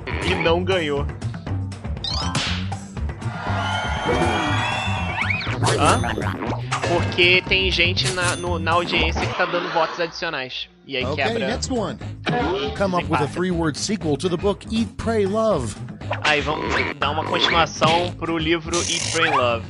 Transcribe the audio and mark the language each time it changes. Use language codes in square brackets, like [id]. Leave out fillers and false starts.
[pt] E não ganhou. Hã? Porque tem gente na audiência que tá dando votos adicionais. E aí, okay, quebra. [en] Next one. Come up with a three-word sequel to the book Eat, Pray, Love. [pt] Aí, vamos dar uma continuação pro livro Eat, Pray, Love.